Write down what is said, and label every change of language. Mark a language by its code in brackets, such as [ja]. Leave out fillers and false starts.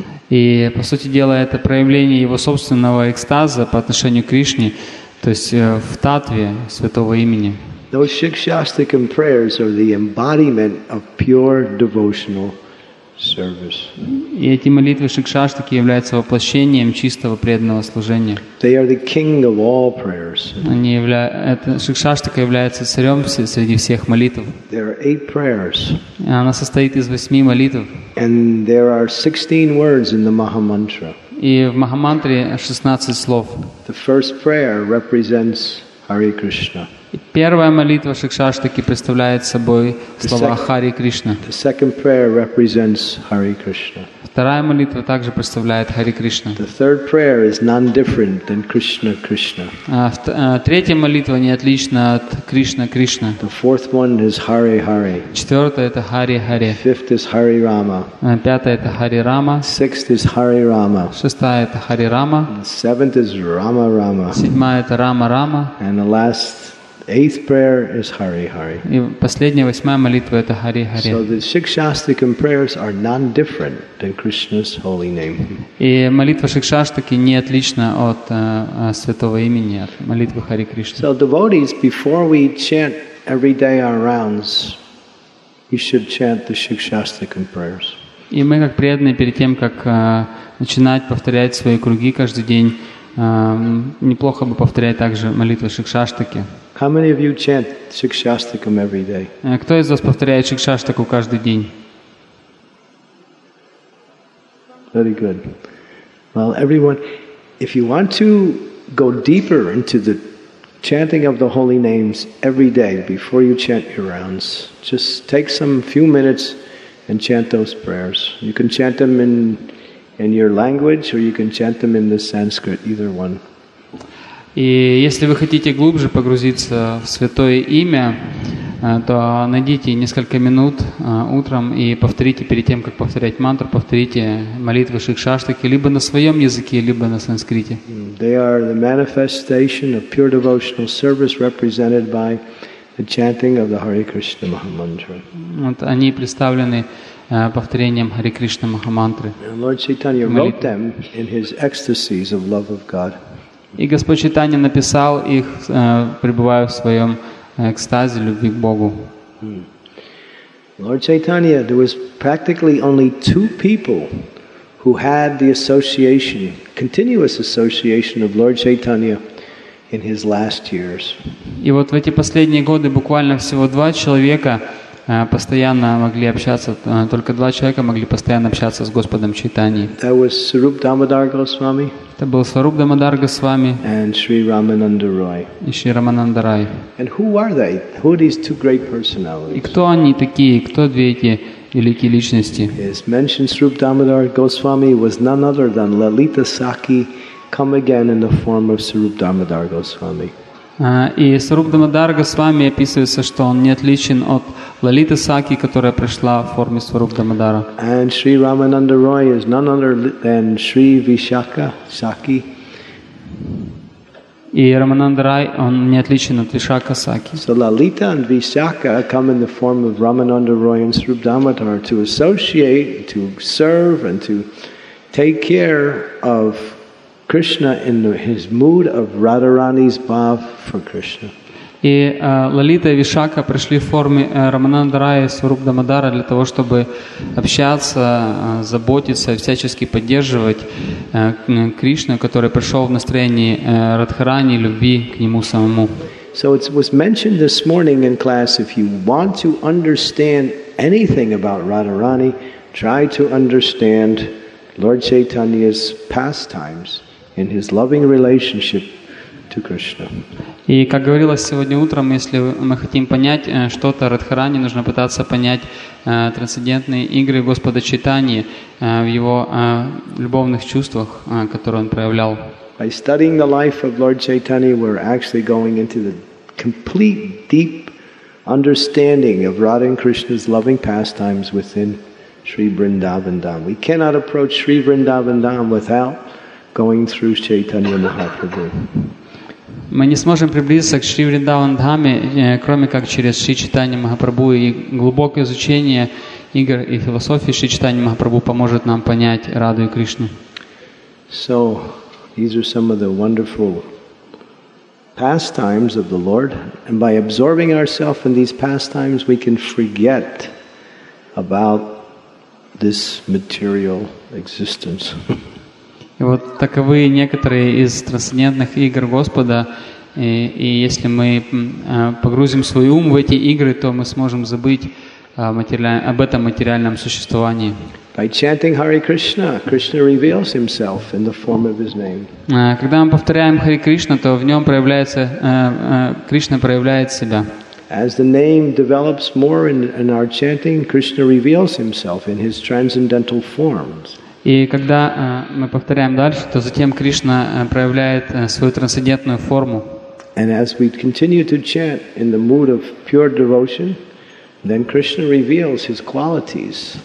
[ru] И, по сути дела, это проявление его собственного экстаза по отношению к Кришне, то есть в таттве святого имени. [en] Those Shikshastakam prayers are the embodiment of pure devotional service. [ru] И эти молитвы Шикшаштаки являются воплощением чистого преданного служения. [en] They are the king of all prayers. [ru] Они Шикшаштака является царем среди всех молитв. [en] There are 8 prayers. [ru] Она состоит из 8 молитв. [en] And there are 16 words in the Mahamantra. [ru] И в Махамантре 16 слов. [en] The first prayer represents Hare Krishna. [ru] Первая молитва Шикшаштаки представляет собой слова Хари Кришна. [en] The second prayer represents Hare Krishna. [ru] Вторая молитва также представляет Хари Кришна. [en] The third prayer is none different than Krishna Krishna. [ru] Третья молитва не отлична от Кришна Кришна. [en] The fourth one is Hare Hare. [ru] Четвертая это Хари Хари. [en] Fifth is Hare Rama. [ru] Пятая это Хари Рама. [en] Sixth is Hare Rama. [ru] Шестая это Хари Рама. [en] Seventh is Rama Rama. [ru] Седьмая это Рама Рама. [en] And the last eighth prayer is Hari Hari. [ru] И последняя восьмая молитва это Хари Хари. [en] So the Shikshastakam prayers are none different than Krishna's holy name. [ru] И молитва Шикшаштаки не отлична от святого имени, от молитвы Хари Кришна. [en] So devotees, before we chant every day our rounds, you should chant the Shikshastakam prayers. [ru] И мы как преданные перед тем как начинать повторять свои круги каждый день, неплохо бы повторять также молитву Шикшаштаки. [en] How many of you chant Shikshastakam every day? [ru] Кто из вас повторяет Шикшаштаку каждый день? [en] Very good. Well, everyone, if you want to go deeper into the chanting of the holy names every day before you chant your rounds, just take some few minutes and chant those prayers. You can chant them in your language or you can chant them in the Sanskrit, either one. [ru] И если вы хотите глубже погрузиться в Святое Имя, то найдите несколько минут утром и повторите, перед тем, как повторять мантру, повторите молитвы Шикшаштаки либо на своем языке, либо на санскрите. [en] They are the manifestation of pure devotional service represented by the chanting of the Hare Krishna Mahamantra. [ru] Вот они представлены повторением Hare Krishna Mahamantra. [en] Lord Chaitanya wrote them in his ecstasies of love of God. [ru] И Господь Чайтанья написал их, пребывая в своем экстазе любви к Богу. [en] Lord Chaitanya, there was practically only two people who had the association, continuous association of Lord Chaitanya in his last years. [ru] И вот в эти последние годы буквально всего два человека постоянно могли общаться, только два человека могли постоянно общаться с Господом Чайтаньей. [en] That was Swarup Damodar Goswami. [ru] Это был Сваруп Дамодар Госвами и Шри Рамананда Рай. [en] And who are they? Who are these two great personalities? [ru] И кто они такие? Кто две эти великие личности? [en] As mentioned, Swarup Damodar Goswami was none other than Lalita Sakhi, come again in the form of Swarup Damodar Goswami. [ru] И Сваруп Дамодар Госвами описывается, что он не отличен от Лалиты Саки, которая пришла в форме Сваруп Дамодара. [en] And Sri Ramananda Roy is none other than Sri Vishakha Saki. [ru] И Рамананда Рай, он не отличен от Вишака Саки. [en] So Lalita and Vishakha come in the form of Ramananda Roy and Sri Dhamadhar to associate, to serve and to take care of Krishna in his mood of Radharani's bhav for Krishna. [ru] И Лалита и Вишака пришли в форме Рамананда Рая и Сваруп Дамодара для того, чтобы общаться, заботиться, всячески поддерживать Кришну, который пришел в настроении Радхарани, любви к Нему самому. [en] So it was mentioned this morning in class, if you want to understand anything about Radharani, try to understand Lord Chaitanya's pastimes in his loving relationship to Krishna. [ru] И как говорилось сегодня утром, если мы хотим понять что-то о Радхаране, нужно пытаться понять трансцендентные игры Господа Чайтаньи в его любовных чувствах, которые он проявлял. [en] By studying the life of Lord Chaitanya, we're actually going into the complete deep understanding of Radha and Krishna's loving pastimes within Sri Vrindavan Dham. We cannot approach Sri Vrindavan Dham without going through Chaitanya Mahaprabhu. [ru] Мы не сможем приблизиться к Шри Вриндаван Дхаме, кроме как через Шри Чайтанья Махапрабху, и глубокое изучение игр и философии Шри Чайтанья Махапрабху поможет нам понять Раду и Кришну. [en] So, these are some of the wonderful pastimes of the Lord, and by absorbing ourselves in these pastimes, we can forget about this material existence. [ru] И вот таковы некоторые из трансцендентных игр Господа. И если мы погрузим свой ум в эти игры, то мы сможем забыть об этом материальном существовании. [en] By chanting Hare Krishna, Krishna reveals himself in the form of his name. [ru] Когда мы повторяем Хари Кришна, то в нем проявляется Кришна проявляет себя. [en] As the name develops more in our chanting, Krishna reveals himself in his transcendental forms. [ru] И когда мы повторяем дальше, то затем Кришна проявляет свою трансцендентную форму. [en] And as we continue to chant in the mood of pure devotion, then Krishna reveals his qualities.